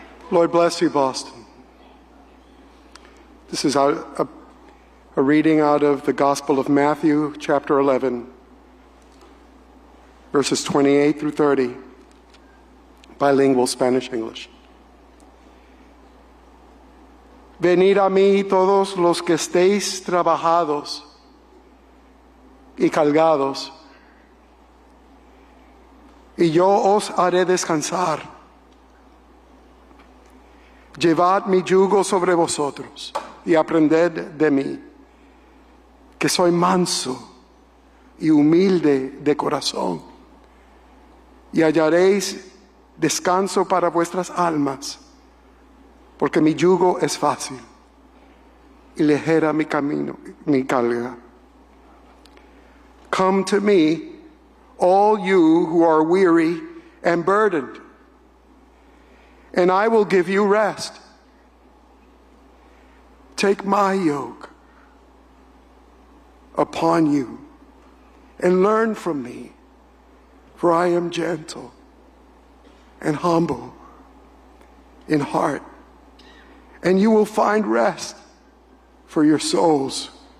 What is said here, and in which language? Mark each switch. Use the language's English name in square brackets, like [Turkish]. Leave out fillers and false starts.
[English] Lord bless you, Boston. This is a reading out of the Gospel of Matthew, chapter 11, verses 28 through 30, bilingual Spanish-English. [Spanish] Venid a mí todos los que estéis trabajados y cargados, y yo os haré descansar. Llevad mi yugo sobre vosotros y aprended de mí, que soy manso y humilde de corazón, y hallaréis descanso para vuestras almas, porque mi yugo es fácil y ligera mi camino, mi carga. [English] Come to me, all you who are weary and burdened, and I will give you rest. Take my yoke upon you and learn from me, for I am gentle and humble in heart, and you will find rest for your souls.